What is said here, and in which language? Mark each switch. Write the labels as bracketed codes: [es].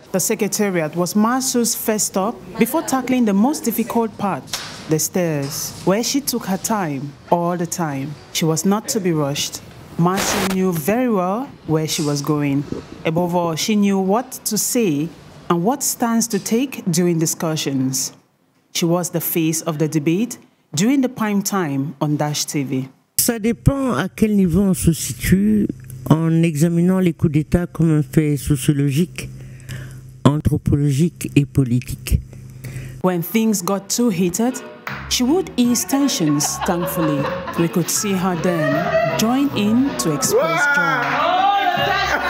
[en] The secretariat was Masu's first stop before tackling the most difficult part, the stairs, where she took her time, all the time. She was not to be rushed. Masu knew very well where she was going. Above all, she knew what to say and what stance to take during discussions. She was the face of the debate during the prime time on Dash TV. [fr] Ça dépend à quel niveau on se situe en examinant les coups d'État comme un fait sociologique, anthropologique et politique. [en] When things got too heated, she would ease tensions, thankfully. We could see her then join in to express joy.